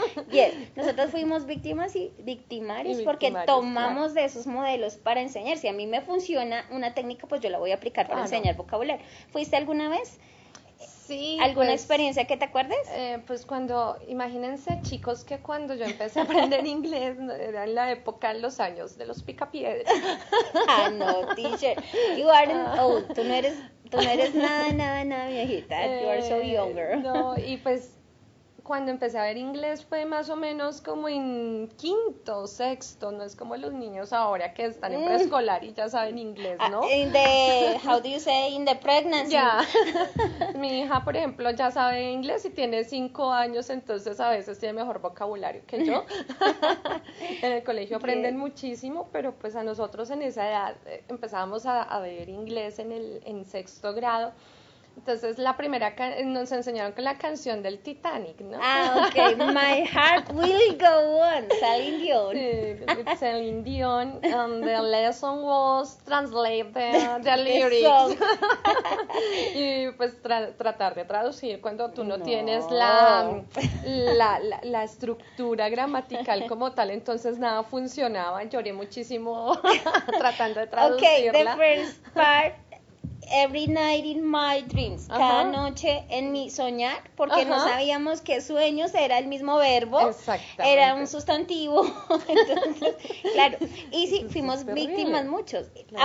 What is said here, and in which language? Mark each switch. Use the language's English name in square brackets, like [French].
[Spanish] Yes, nosotros fuimos víctimas y victimarios porque tomamos de esos modelos para enseñar. Si a mí me funciona una técnica, pues yo la voy a aplicar para enseñar vocabulario. ¿Fuiste alguna vez? Sí. ¿Alguna experiencia que te acuerdes? Pues cuando, imagínense, chicos, que cuando yo empecé a aprender inglés, era en la época, en los años de los picapiedras. [English] Ah, no, teacher, you aren't old, [Spanish] tú no eres nada, viejita, [English] you are so younger. [Spanish] No, y pues cuando empecé a ver inglés fue más o menos como en quinto, sexto, no es como los niños ahora que están en preescolar y ya saben inglés, ¿no? [English] How do you say in the pregnancy? [Spanish] Ya. Mi hija, por ejemplo, ya sabe inglés y tiene 5 años, entonces a veces tiene mejor vocabulario que yo. En el colegio aprenden muchísimo, pero pues a nosotros en esa edad empezábamos a ver inglés en sexto grado. Entonces, la primera nos enseñaron con la canción del Titanic, ¿no? [English] Ah, ok. My heart will go on. Celine Dion. [Spanish] Sí, Celine Dion. [English] And the lesson was translate the lyrics. [Spanish] Y pues tratar de traducir cuando tú no tienes la estructura gramatical como tal. Entonces, nada funcionaba. Lloré muchísimo tratando de traducirla. [English] Ok, the first part. Every night in my dreams, [Spanish] cada noche en mi soñar, porque no sabíamos que sueños era el mismo verbo, era un sustantivo, entonces, claro, y sí, fuimos víctimas muchos. Claro.